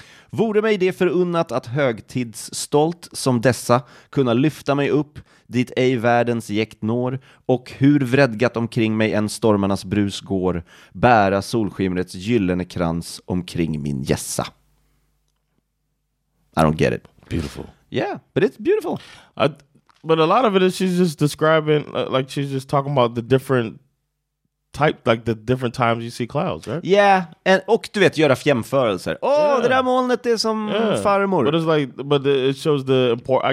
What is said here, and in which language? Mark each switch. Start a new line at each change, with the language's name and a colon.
Swedish: Vore mig det förunnat att högtidsstolt som dessa kunna lyfta mig upp dit ej världens jäkt når, och hur vredgat omkring mig än stormarnas brus går, bära solskimrets gyllene krans omkring min gässa.
English: I don't get it. Beautiful. Yeah, but it's beautiful. But a lot of it is she's just describing, like she's just talking about the different type like the different times you see clouds, right? Yeah, and
Swedish: och du vet göra jämförelser.
English: Oh, yeah.
Swedish: Det där molnet är som farmor.
English: But it's like, but it shows the import.